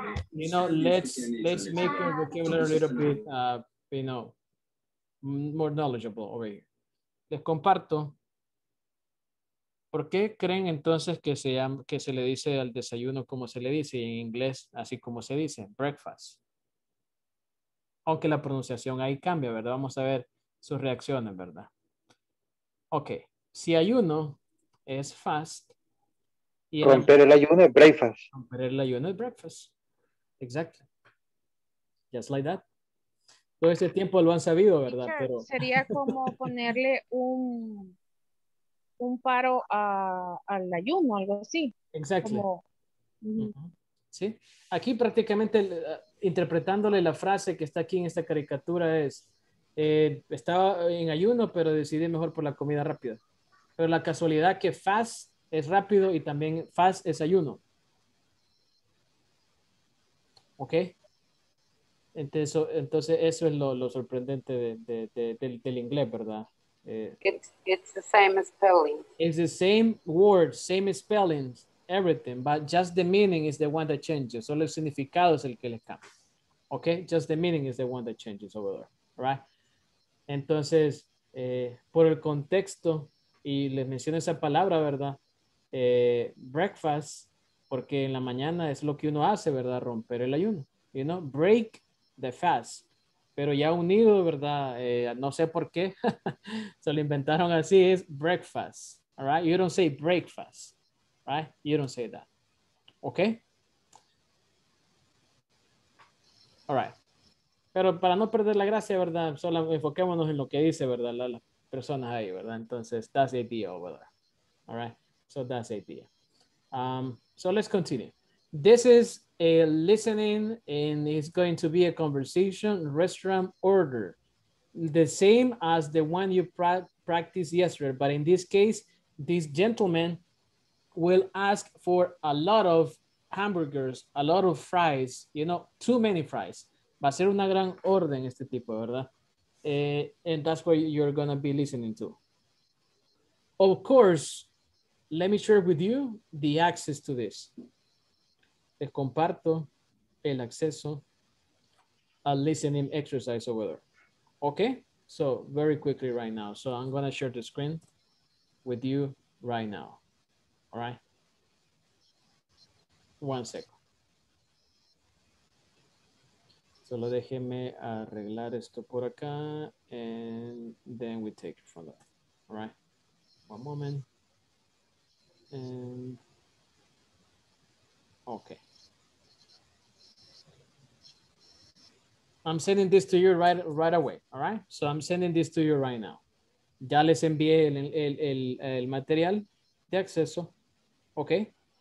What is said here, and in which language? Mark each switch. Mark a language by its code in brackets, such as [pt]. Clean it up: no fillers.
[en] You know, let's make your vocabulary a little bit, you know, more knowledgeable over here. [es] Les comparto. ¿Por qué creen entonces que se llama, que se le dice al desayuno como se le dice en inglés, así como se dice, breakfast? Aunque la pronunciación ahí cambia, ¿verdad? Vamos a ver sus reacciones, ¿verdad? Ok, si ayuno es fast. Y romper el ayuno es breakfast. Romper el ayuno es breakfast. Exacto. [en] Just like that. [es] Todo ese tiempo lo han sabido, ¿verdad? Pero... Sería como ponerle un paro al ayuno, algo así. Exacto. Como... Uh-huh. Sí. Aquí prácticamente, interpretándole la frase que está aquí en esta caricatura es, estaba en ayuno, pero decidí mejor por la comida rápida. Pero la casualidad que fast es rápido y también fast es ayuno. ¿Ok? Entonces eso es lo sorprendente del inglés, ¿verdad? [en] It's the same spelling. It's the same word, same spellings, everything, but just the meaning is the one that changes. [es] Solo el significado es el que le cambia. [en] Okay, just the meaning is the one that changes over there. Right? [es] Entonces, por el contexto, y les menciono esa palabra, ¿verdad? Breakfast, porque en la mañana es lo que uno hace, ¿verdad? Romper el ayuno. [en] You know, break the fast. [es] Pero ya unido, ¿verdad? No sé por qué. Se lo inventaron así. Es breakfast. [en] All right? You don't say breakfast. Right? You don't say that. Okay? All right. [es] Pero para no perder la gracia, ¿verdad? Solo enfoquémonos en lo que dice, ¿verdad? personas ahí, ¿verdad? Entonces, [en] that's the idea over there. All right? So that's the idea. So let's continue. This is a listening and it's going to be a conversation restaurant order. The same as the one you practiced yesterday, but in this case, this gentleman will ask for a lot of hamburgers, a lot of fries, you know, too many fries. [es] Va a ser una gran orden este tipo, ¿verdad? [en] And that's what you're going to be listening to. Of course, let me share with you the access to this. [es] Te comparto el acceso a [en] listening exercise over there. Okay, so very quickly right now. So I'm going to share the screen with you right now. All right. One second. [es] Solo déjeme arreglar esto por acá. [en] And then we take it from there. All right. One moment. And okay. I'm sending this to you right away, all right? So I'm sending this to you right now. [es] Ya les envié el material de acceso, okay?